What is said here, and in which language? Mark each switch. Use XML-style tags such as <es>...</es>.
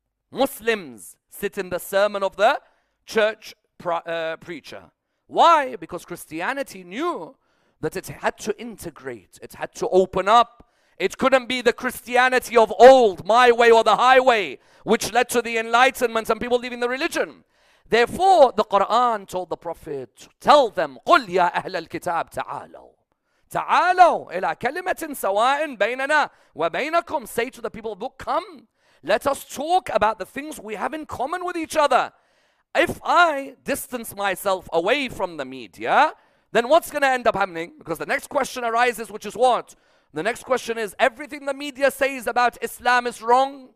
<en>Muslims sit in the sermon of the church preacher. Why? Because Christianity knew that it had to integrate. It had to open up. It couldn't be the Christianity of old, my way or the highway, which led to the enlightenment and people leaving the religion. Therefore, the Quran told the Prophet, tell them,</en> <ar>قُلْ يَا أَهْلَ الْكِتَابِ تَعَالَوْا تَعَالَوْا إِلَىٰ كَلِمَةٍ سَوَاءٍ بَيْنَنَا وَبَيْنَكُمْ.</ar> <en>Say to the people of the book, come, let us talk about the things we have in common with each other. If I distance myself away from the media, then what's going to end up happening? Because the next question arises, which is what? The next question is, everything the media says about Islam is wrong.</en>